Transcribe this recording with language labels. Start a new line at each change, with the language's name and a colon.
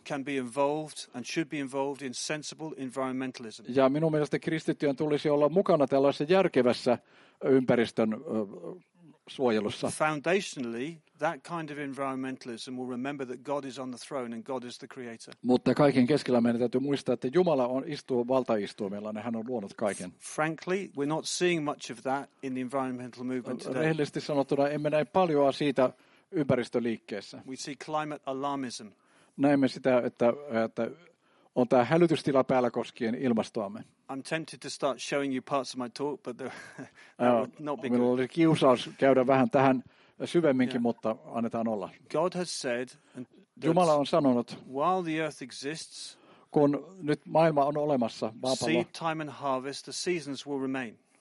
English: Can be involved and should be involved in sensible environmentalism.
Finnish: Ja minun mielestä kristittyjen tulisi olla mukana tällaisessa järkevässä ympäristön suojelussa.
English: Foundationally, that kind of environmentalism will remember that God is on the throne and God is the creator.
Finnish: Mutta kaiken keskellä meidän täytyy muistaa, että Jumala on istuu valtaistuimella, hän on luonut kaiken.
English: Frankly, we're not seeing much of that in the environmental movement today.
Finnish: Rehellisesti sanottuna emme näe paljoa siitä ympäristöliikkeessä.
English: We see climate alarmism.
Finnish: Näemme sitä, että on tämä hälytystila päällä koskien ilmastoamme.
English: I'm tempted to start showing you parts of my talk, but that would not be good.
Finnish: Minulla oli kiusaus käydä vähän tähän syvemminkin, mutta annetaan olla.
English: God has said,
Finnish: Jumala on sanonut,
English: while the earth exists,
Finnish: kun nyt maailma on olemassa, maapallo,
English: seed time and harvest, the seasons will remain.